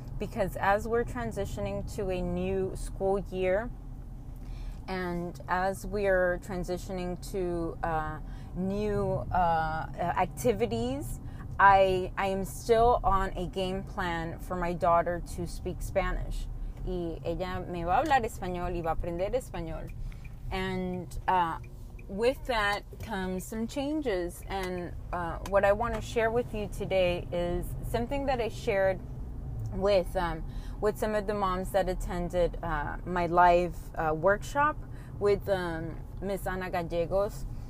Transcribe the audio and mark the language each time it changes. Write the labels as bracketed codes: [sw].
[en] Because as we're transitioning to a new school year, and as we're transitioning to new activities, I am still on a game plan for my daughter to speak Spanish. [es] Y ella me va a hablar español y va a aprender español. [en] And with that comes some changes. And what I want to share with you today is something that I shared with some of the moms that attended my live workshop with Miss Ana Gallegos.